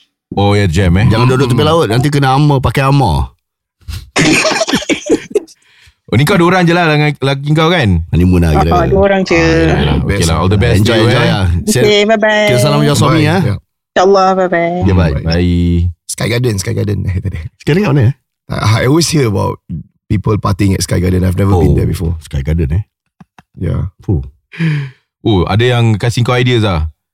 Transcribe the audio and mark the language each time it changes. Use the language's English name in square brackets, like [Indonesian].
[Malay] Oh ya, jam eh. Jangan duduk tepi laut. Nanti kena armor, pakai armor. Oh, ni kau dua orang je lah dengan lelaki kau kan? Honeymoon lah kira-kira. Dua orang je. [English] Okay lah, all the best. Enjoy lah. Okay, bye-bye. [Malay] Kira salam dengan suami ya. [English] InsyaAllah, bye-bye. Yeah, bye. Sky Garden. [Malay] Sekarang kat mana? [English] I always hear about people partying at Sky Garden. I've never been there before. Sky Garden eh? Yeah. [Malay] Ada yang kasih kau ideas lah.